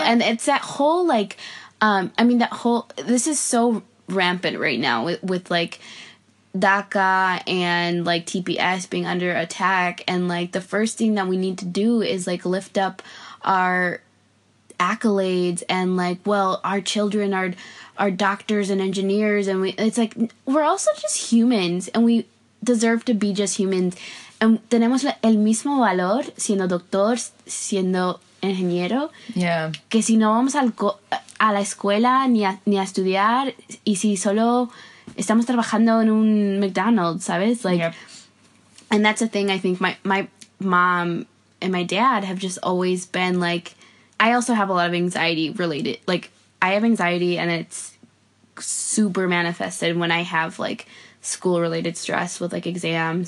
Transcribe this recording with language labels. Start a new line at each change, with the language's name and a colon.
English: And it's that whole like this is so rampant right now with like DACA and like TPS being under attack, and like the first thing that we need to do is like lift up our accolades and like, well, our children are doctors and engineers, and it's like we're also just humans and we deserve to be just humans, and
Spanish: tenemos el mismo valor siendo doctor, siendo ingeniero.
English: Yeah.
Spanish: Que si no vamos a la escuela ni a estudiar, y si solo estamos trabajando en un McDonald's, ¿sabes?
English: Like, yep. And that's a thing I think my mom and my dad have just always been, like, I also have a lot of anxiety related. Like, I have anxiety, and it's super manifested when I have, like, school-related stress with, like, exams.